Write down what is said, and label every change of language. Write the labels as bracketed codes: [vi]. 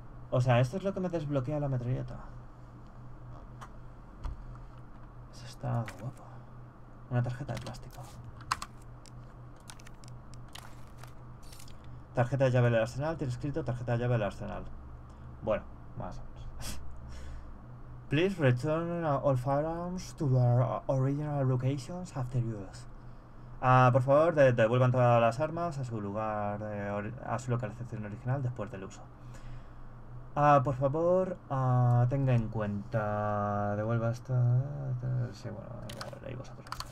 [es] O sea, esto es lo que me desbloquea la metralleta. Eso está guapo. Una tarjeta de plástico. Tarjeta de llave del arsenal. Tiene escrito tarjeta de llave del arsenal. Bueno, más o menos. [en] Please return all firearms to their original locations after use. [es] Por favor, devuelvan todas las armas a su lugar, a su localización original después del uso. Por favor, tenga en cuenta. Devuelva esto. Sí, bueno, ya lo leí vosotros.